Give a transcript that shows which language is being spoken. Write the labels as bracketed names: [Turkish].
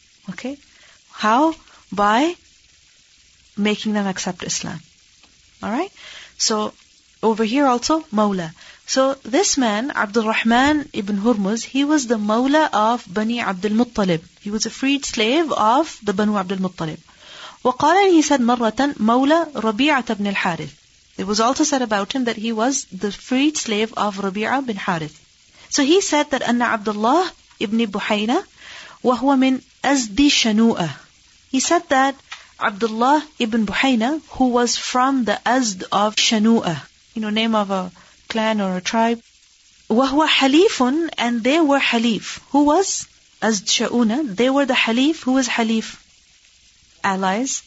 [English] Okay? How? By making them accept Islam. Alright? So, Over here also, Mawla. So this man, Abdul Rahman ibn Hurmuz, he was the Mawla of Bani Abdul Muttalib. He was a freed slave of the Banu Abdul Muttalib. [Arabic] وقال, [English] he said [Arabic] مرةً مولى ربيعة بن الحارث. [English] It was also said about him that he was the freed slave of Rabi'ah bin Harith. So he said that [Arabic] أن عبد الله ابن بحينة وهو من أزدي شنوءة. [English] He said that Abdullah ibn Buhayna, who was from the Azd of Shanu'a, you know, name of a clan or a tribe, [Arabic] وهو حليفٌ, [English] and they were حليف. Who was Azd Shauna? They were the حليف. Who was حليف? Allies.